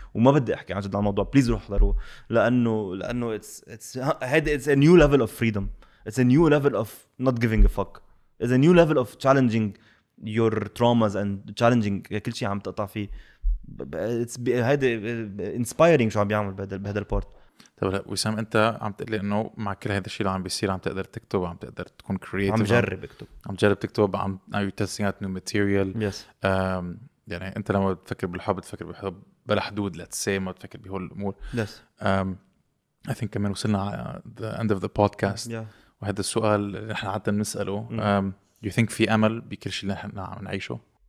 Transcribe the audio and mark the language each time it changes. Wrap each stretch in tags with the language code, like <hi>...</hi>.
<ar>وما بدي احكي عن جد على الموضوع بليز روح حضروه لانه</ar> <en>اتس هيد اتس ا نيو ليفل اوف فريडम اتس ا نيو ليفل اوف نوت جيفينج ا فوك اتس ا نيو ليفل اوف تشالنجينج your traumas and challenging</en> <ar>كل شيء عم تقطع فيه. هيدا inspiring شو عم بيعمل بهذا البورت. طيب وسام انت عم تقلي انه مع كل هذا الشيء اللي عم بيصير عم تقدر تكتب عم تقدر تكون creative عم جرب اكتب عم جرب تكتب عم</ar> <en>are you testing out new material yes.</en> <ar>يعني انت لما تفكر بالحب تفكر بالحب بلا حدود</ar> <en>let's say</en> <ar>ما تفكر بهول الامور</ar> <en>yes. I think</en> <ar>كمان وصلنا على</ar> <en>the end of the podcast yeah.</en> <ar>وهذا السؤال اللي احنا عادة نسأله</ar> <en>do you think</en> <ar>في امل بكل شيء اللي احنا عم نعيشه؟</ar>